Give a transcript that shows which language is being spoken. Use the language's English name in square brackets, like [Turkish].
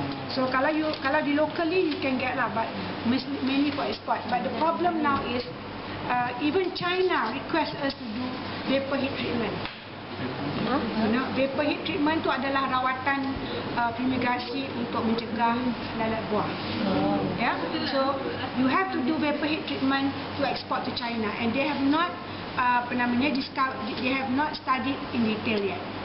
[English] So [Malay] kalau [English] you [Malay] kalau di [English] locally you can get [Malay] lah, [English] but mainly for export. But the problem now is even China request us to do vapor heat treatment. You know, [Malay] vapor heat treatment tu adalah rawatan fumigasi untuk mencegah lalat buah. [English] Yeah, so you have to do vapor heat treatment to export to China, and they have not they have not studied in detail yet.